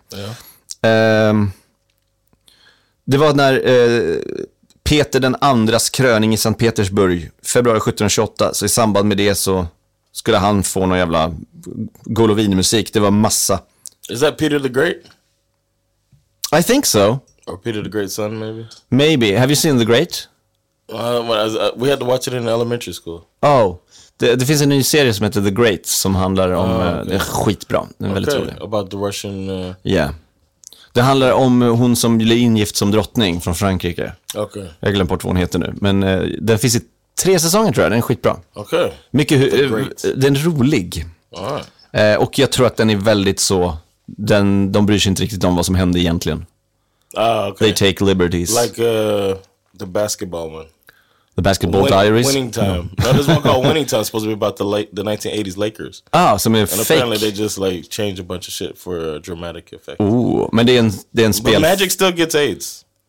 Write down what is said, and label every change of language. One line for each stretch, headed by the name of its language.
Swedish: Ja. Det var när... Peter den andras kröning i Sankt Petersburg, februari 1728. Så i samband med det så skulle han få någon jävla Golovin-musik. Det var massa.
English: Is that Peter the Great? I think so. Or Peter the Great's son, maybe? Maybe. Have you seen The Great? We had to watch it in elementary school.
Swedish: Oh, det finns en ny serie som heter The Great som handlar om det är skitbra. Den är väldigt rolig.
English: About the Russian Yeah.
Swedish: Det handlar om hon som blir ingift som drottning från Frankrike. Okej. Okay. Jag glömde bort vad hon heter nu, men den finns i 3 säsonger tror jag. Den är skitbra. Okej. Okay. Mycket den är rolig. Och jag tror att den är väldigt så de bryr sig inte riktigt om vad som hände egentligen. Ah, okej.
English: Okay. They take liberties. Like the basketball one. The Basketball Diaries. Winning Time. No. No, this one called Winning Time is supposed to be about the 1980s Lakers. Ah, so it's fake. And apparently they just like change a bunch of shit for a dramatic effect.
Swedish: Ooh, men det är en spel.
English: But Magic still gets AIDS.